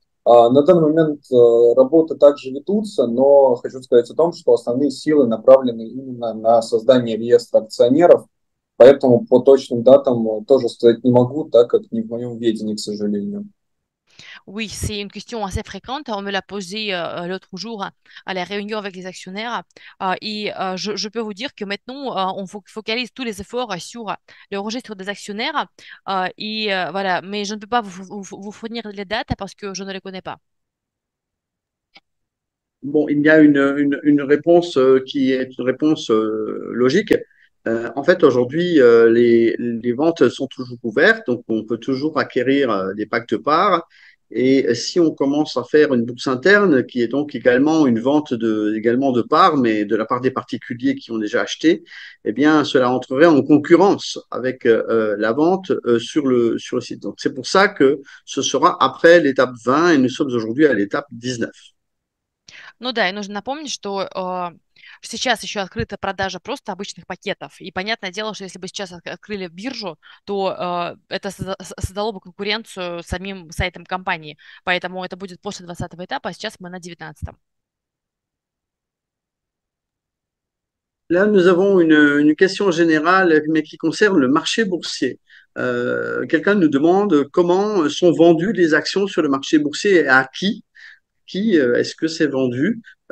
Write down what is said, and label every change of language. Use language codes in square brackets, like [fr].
[ru] На данный момент работы также ведутся, но хочу сказать о том, что основные силы направлены именно на создание реестра акционеров, поэтому по точным датам тоже сказать не могу, так как не в моем ведении, к сожалению. [fr] Oui, c'est une question assez fréquente. On me l'a posée l'autre jour à la réunion avec les actionnaires. Je peux vous dire que maintenant, on focalise tous les efforts sur le registre des actionnaires. Voilà. Mais je ne peux pas vous fournir les dates parce que je ne les connais pas. Bon, il y a une réponse qui est une réponse logique. En fait, aujourd'hui, les ventes sont toujours ouvertes, donc on peut toujours acquérir des packs de parts. Et si on commence à faire une bourse interne, qui est donc également une vente également de parts, mais de la part des particuliers qui ont déjà acheté, eh bien, cela entrerait en concurrence avec la vente sur le site. Donc, c'est pour ça que ce sera après l'étape 20 et nous sommes aujourd'hui à l'étape 19. [ru] Ну да, и нужно напомнить, что сейчас еще открыта продажа просто обычных пакетов. И понятное дело, что если бы сейчас открыли биржу, то это создало бы конкуренцию самим сайтом компании. Поэтому это будет после 20-го этапа, а сейчас мы на 19-м. [fr] Là, nous avons une question générale, mais qui concerne le marché boursier. Quelqu'un nous demande comment sont vendues les actions sur le marché boursier et à qui? Qui est-ce que c'est vendu?